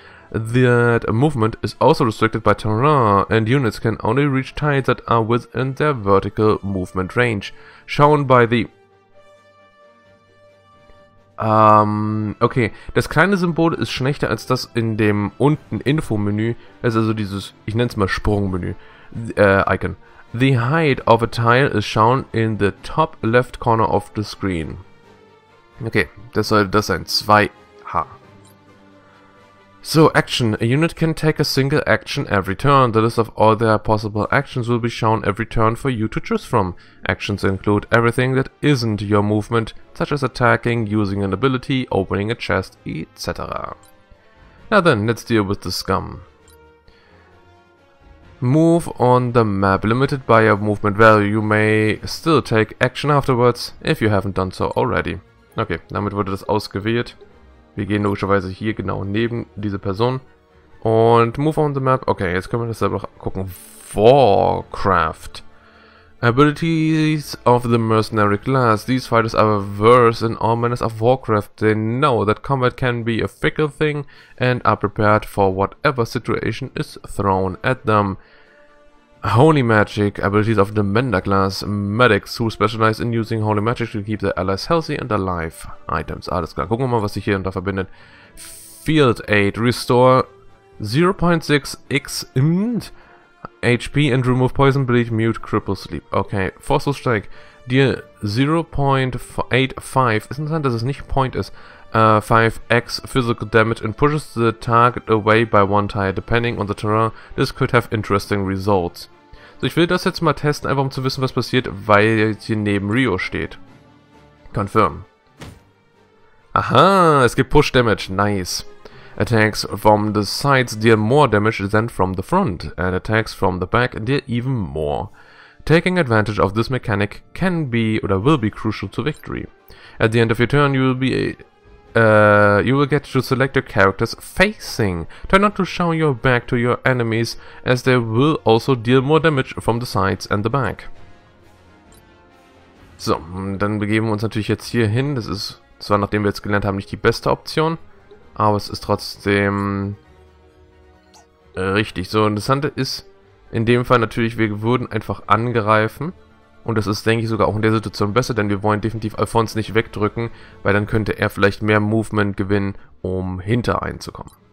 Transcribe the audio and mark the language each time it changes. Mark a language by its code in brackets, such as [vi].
[en] That movement is also restricted by terrain, and units can only reach tiles that are within their vertical movement range, shown by the... [de] okay, das kleine Symbol ist schlechter als das in dem unten Infomenü, das ist also dieses, ich nenne es mal Sprungmenü, Icon. [en] The height of a tile is shown in the top left corner of the screen. [de] Okay, das sollte das sein, 2H. So, Action. [en] A unit can take a single action every turn. The list of all their possible actions will be shown every turn for you to choose from. Actions include everything that isn't your movement, such as attacking, using an ability, opening a chest, etc. Now then, let's deal with the scum. Move on the map limited by your movement value. You may still take action afterwards, if you haven't done so already. [de] Okay, damit wurde das ausgewählt. Wir gehen logischerweise hier genau neben diese Person. Und [en] move on the map. [de] Okay, jetzt können wir das selber noch gucken. [en] Warcraft. Abilities of the Mercenary Class. These fighters are averse in all manners of Warcraft. They know that combat can be a fickle thing and are prepared for whatever situation is thrown at them. Holy Magic. Abilities of the Mender Class. Medics who specialize in using Holy Magic to keep their allies healthy and alive. [de] Items. Alles klar. Gucken wir mal, was sich hier und da verbindet. [en] Field Aid. Restore 0.6 HP and remove Poison, Bleed, Mute, Cripple, Sleep. Okay. Forceful Strike. Deal 0.85. [de] Ist interessant, dass es nicht Point ist. [en] 5x physical damage and pushes the target away by one tile. Depending on the terrain, this could have interesting results. [de] So, ich will das jetzt mal testen, einfach um zu wissen, was passiert, weil jetzt hier neben Rio steht. Confirm. Aha, es gibt Push Damage, nice. [en] Attacks from the sides deal more damage than from the front, and attacks from the back deal even more. Taking advantage of this mechanic can be oder will be crucial to victory. At the end of your turn, you will be get to select your character's facing. Try not to show your back to your enemies, as they will also deal more damage from the sides and the back. [de] So, dann begeben wir uns natürlich jetzt hier hin. Das ist zwar, nachdem wir jetzt gelernt haben, nicht die beste Option, aber es ist trotzdem richtig. So, interessant ist in dem Fall natürlich, wir würden einfach angreifen. Und das ist, denke ich, sogar auch in der Situation besser, denn wir wollen definitiv Alphonse nicht wegdrücken, weil dann könnte er vielleicht mehr Movement gewinnen, um hinter einen zu kommen.